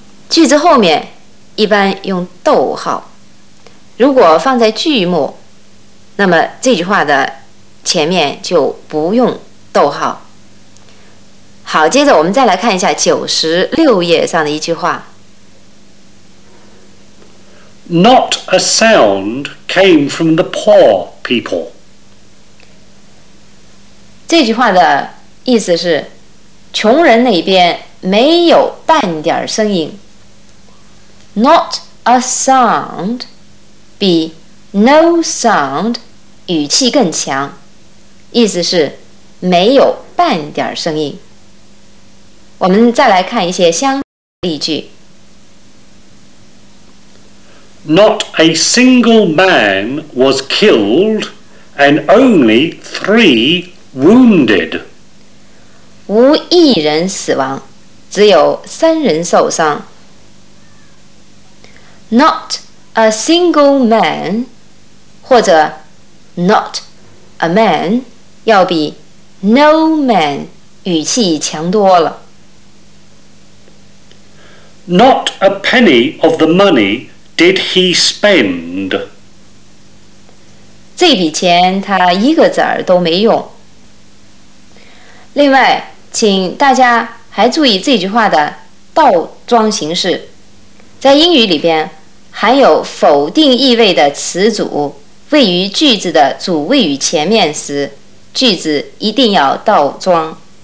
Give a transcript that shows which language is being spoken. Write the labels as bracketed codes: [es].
[zh] 句子后面一般用逗号，如果放在句末，那么这句话的前面就不用逗号。好，接着我们再来看一下96页上的一句话。 [en] Not a sound came from the poor people. [zh] 这句话的意思是穷人那边没有半点声音。 [en] Not a sound 比 no sound [zh] 语气更强，意思是没有半点声音。我们再来看一些相关的例句。 [en] Not a single man was killed and only three wounded. [zh] 无一人死亡，只有三人受伤。 [en] Not a single man [zh] 或者 [en] not a man [zh] 要比 [en] no man [zh] 语气强多了。 [en] Not a penny of the money did he spend. [zh] 这笔钱他一个子儿都没用。另外，请大家还注意这句话的倒装形式。在英语里边，含有否定意味的词组位于句子的主谓语前面时，句子一定要倒装。